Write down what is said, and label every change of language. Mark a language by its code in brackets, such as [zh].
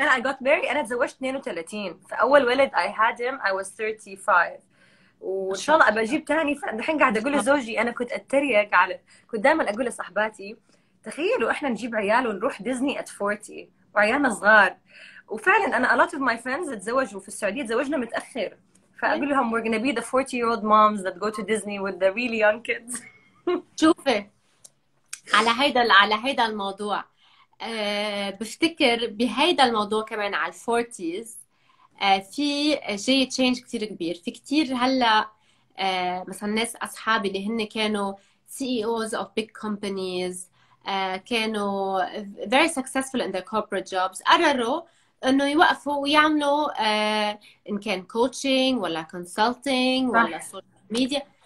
[ar] أنا [en] I got married، [ar] أنا تزوجت 32، فأول ولد [en] I had him I was 35، [ar] وإن شاء الله أبقى أجيب تاني. فالحين قاعدة أقول لزوجي، أنا كنت أتريق على، كنت دائما أقول لصاحباتي تخيلوا إحنا نجيب عيال ونروح ديزني [en] at 40 [ar] وعيالنا صغار. وفعلا أنا [en] a lot of my friends [ar] تزوجوا في السعودية، تزوجنا متأخر. فأقول لهم [en] we're gonna be the 40-year-old moms that go to Disney with the really young kids. [ar] شوفي على هيدا الموضوع، بفتكر بهيدا الموضوع كمان على الفورتيز في جاي تشينج كتير كبير. في كتير هلا مثلا ناس أصحابي اللي هن كانوا [en] CEOs of big companies، [ar] كانوا [en] very successful in their corporate jobs، [ar] قرروا انه يوقفوا ويعملوا ان كان كوتشينج ولا كونسلتينج ولا سوشيال ميديا.